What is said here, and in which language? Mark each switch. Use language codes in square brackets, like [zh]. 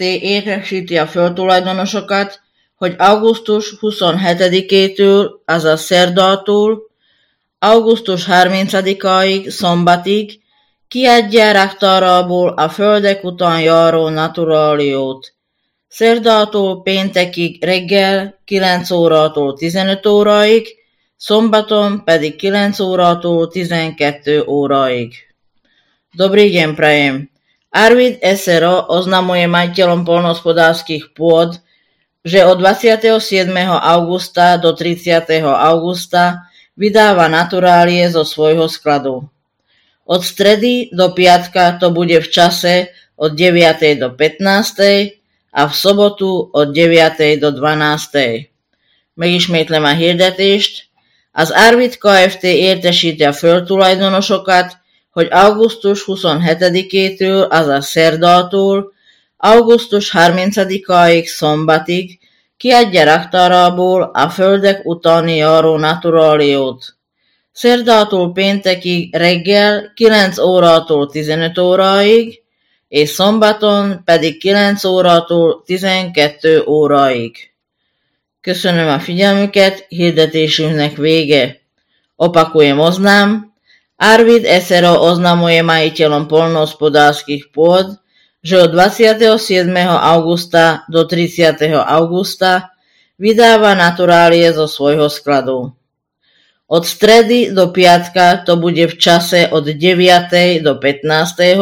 [hu] Értesíti a földtulajdonosokat, hogy augusztus 27-től, azaz szerdától, augusztus 30-ig, szombatig kiadja raktárából a földek után járó naturáliót. Szerdától péntekig reggel 9 órától 15 óraig, szombaton pedig 9 órától 12 óraig. [sk] Dobrý deň, prajem. Arvid SRO oznamuje majiteľom poľnohospodárskych pôd, že od 27. augusta do 30. augusta vydáva naturálie zo svojho skladu. Od stredy do piatka to bude v čase od 9. do 15. a v sobotu od 9. do 12. [hu] Megismétlem a hirdetést. Az Arvid Kft. Értesíti a földtulajdonosokat, hogy augusztus 27-től, azaz szerdától, augusztus 30-ig, szombatig kiadja raktárából a földek utáni járó naturáliót. Szerdától péntekig reggel 9 órától 15 óraig, és szombaton pedig 9 órától 12 óraig. Köszönöm a figyelmüket, hirdetésünknek vége. [sk] Opakujem oznám. Arvid SRO oznamuje majiteľom poľnohospodárskych pôd, že od 27. augusta do 30. augusta vydáva naturálie zo svojho skladu. Od stredy do piatka to bude v čase od 9. do 15.